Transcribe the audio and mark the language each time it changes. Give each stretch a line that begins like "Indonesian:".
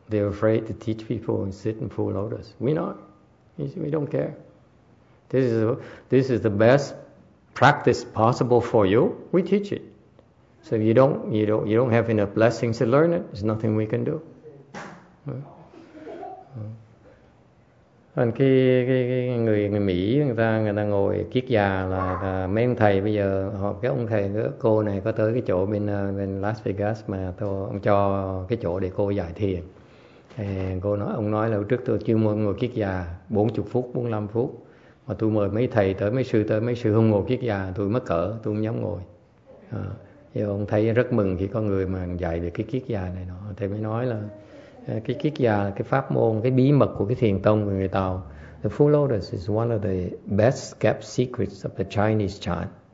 English: They're afraid to teach people and sit in full lotus. We don't care. This is the best practice possible for you. We teach it. So if you don't have enough blessings to learn it, there's nothing we can do.
Vietnamese: Còn cái người Mỹ người ta ngồi kiết già là mấy ông thầy bây giờ họ cái ông thầy cái cô này có tới cái chỗ bên Las Vegas mà ông cho cái chỗ để cô giải thiền. Ông nói là trước tôi chưa mời ngồi kiết già 40 phút, 45 phút. Mà tôi mời mấy thầy tới, mấy sư không ngồi kiết già, tôi mất cỡ, tôi không dám ngồi. Thì ông thấy rất mừng khi có người mà dạy được cái kiết già này nọ. Thầy mới nói là cái kiết già là cái pháp môn, cái bí mật của cái thiền tông của người Tàu.
English: The full lotus is one of the best kept secrets of the Chinese chant.